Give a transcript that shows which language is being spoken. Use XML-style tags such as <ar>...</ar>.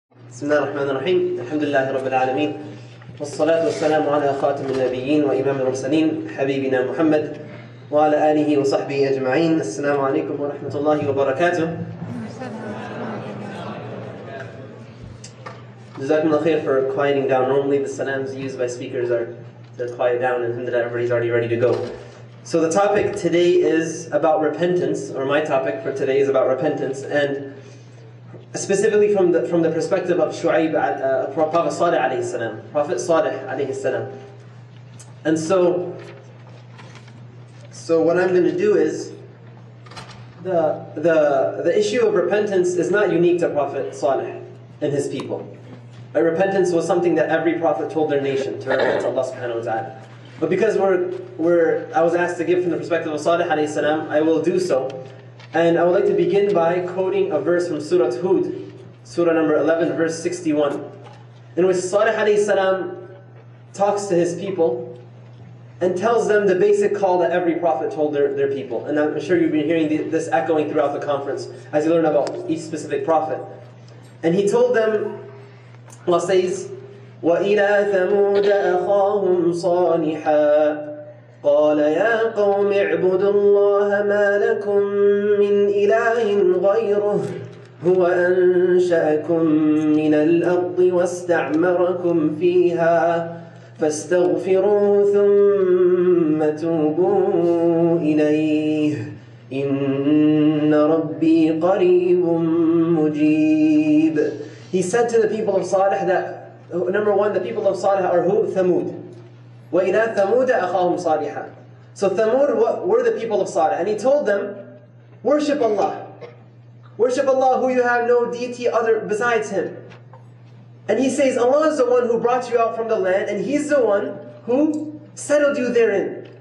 <ar>بسم الله الرحمن الرحيم، الحمد لله رب العالمين، والصلاة والسلام على خاتم النبيين وإمام المرسلين حبيبنا محمد وعلى آله وصحبه أجمعين. السلام عليكم ورحمة الله وبركاته. جزاكم الله خير</ar> <en>for quieting down. Normally the salams used by speakers are to quiet down, and alhamdulillah everybody's already ready to go. So the topic today is about repentance, or my topic for today is about repentance, and specifically from the perspective of Shu'aib, Prophet Saleh alayhi salam, Prophet Saleh alayhi salam. And so what I'm going to do is, the issue of repentance is not unique to Prophet Saleh and his people. But repentance was something that every prophet told their nation to repent to Allah subhanahu wa ta'ala. But because I was asked to give from the perspective of Saleh alayhi salam, I will do so. And I would like to begin by quoting a verse from Surah Hud, Surah number 11, verse 61, in which Saleh alayhi salam talks to his people and tells them the basic call that every prophet told their people. And I'm sure you've been hearing this echoing throughout the conference as you learn about each specific prophet. And he told them, Allah says,</en> <ar>وَإِلَىٰ ثَمُودَ أَخَاهُمْ صَالِحًا قَالَ يَا قَوْمِ اعْبُدُوا اللَّهَ مَا لَكُمْ مِنْ إِلَٰهٍ غَيْرُهُ هُوَ أَنْشَأَكُمْ مِنَ الْأَرْضِ وَاسْتَعْمَرَكُمْ فِيهَا فَاسْتَغْفِرُوهُ ثُمَّ تُوبُوا إِلَيْهِ إِنَّ رَبِّي قَرِيبٌ مُجِيبٌ.</ar> <en>He said to the people of Saleh that, number one, the people of Saleh are who?</en> <ar>Thamud. وَإِلَىٰ ثَمُودَ أَخَاهُمْ صَالِحًا.</ar> <en>So Thamud were the people of Saleh. And he told them, worship Allah. Worship Allah who you have no deity other besides Him. And he says, Allah is the one who brought you out from the land, and He's the one who settled you therein.</en>